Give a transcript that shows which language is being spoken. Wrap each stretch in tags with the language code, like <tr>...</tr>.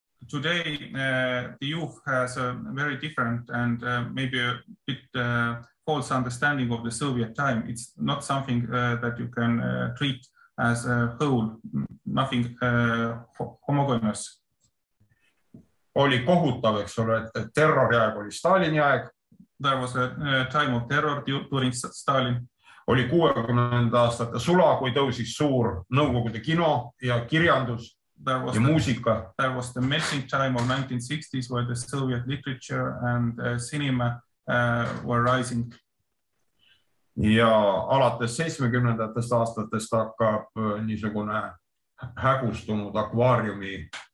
<en>Today, the youth has a very different and maybe a bit false understanding of the Soviet time. It's not something that you can treat as a whole, nothing homogeneous.</en> <et>Oli kohutav, eks ole, et terrori aeg oli Stalini aeg.</et> <en>There was a time of terror during Stalin.</en> <et>Oli 60. Aastate sula, kui tõusis suur nõukogude kino ja kirjandus ja muusika.</et> <en>There was the missing time of 1960s, where the Soviet literature and cinema were rising.</en> <et>Ja alates 70. Aastatest hakkab niisugune hägustunud akvaariumi</et>